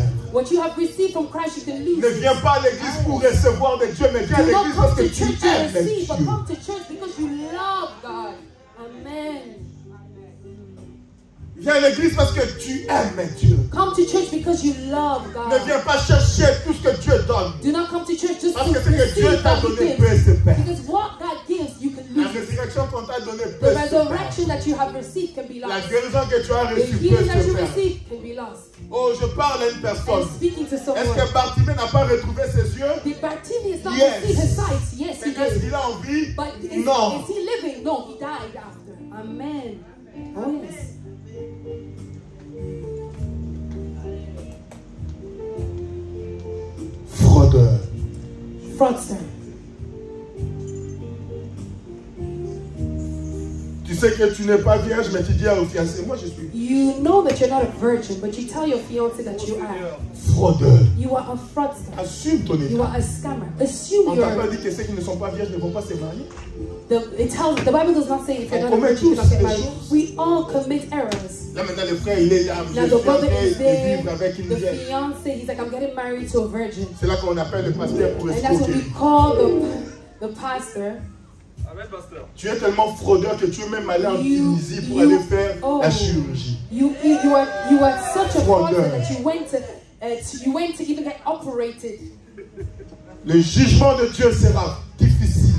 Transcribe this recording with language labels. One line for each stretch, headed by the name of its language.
English: What you have received from Christ, you can lose.
French: Ne viens pas à l'église pour recevoir de Dieu, mais viens à l'église parce que tu aimes Dieu.
English: But come to church because you love God. Amen.
French: Viens à l'église parce que tu aimes Dieu.
English: Come to church because you love God.
French: Ne viens pas chercher tout ce que Dieu donne.
English: Do not come to church just
French: parce que ce que Dieu t'a donné peut se perdre.
English: Because what God gives, you can lose.
French: La résurrection qu'on t'a donné peut se perdre.
English: The resurrection that you have received can be lost.
French: La guérison que tu as reçue peut se perdre.
English: The healing that you received can be lost.
French: Oh, je parle à une personne.
English: I'm speaking to someone.
French: Est-ce que Bartimée n'a pas retrouvé ses yeux?
English: Did Bartimée not see his sight? Yes, he did.
French: Est-ce qu'il a en vie?
English: But
French: non.
English: Is he living? No, he died after. Amen. Amen. Oh, yes.
French: Fraudeur.
English: Fraudster.
French: Tu sais que tu n'es pas vierge, mais tu dis à ton fiancé, moi je suis.
English: You know that you're not a virgin, but you tell your fiancé that you are.
French: Fraudeur.
English: You are a fraudster.
French: Assume ton état.
English: You are a scammer. Assume your.
French: On t'a pas dit que ceux qui ne sont pas vierges ne vont pas se marier?
English: The Bible does not say if you're not a virgin, you're not getting married. We all commit errors.
French: Là maintenant le frère il est là.
English: Now the brother is there.
French: Avec une the vierge.
English: Fiancé, he's like I'm getting married to a virgin.
French: C'est là qu'on appelle le pasteur pour expliquer.
English: And that's what we call the pastor.
French: Tu es tellement fraudeur que tu es même allé en Tunisie pour aller faire la chirurgie.
English: You are such a fraudster that you went to even get operated.
French: Le jugement de Dieu sera difficile.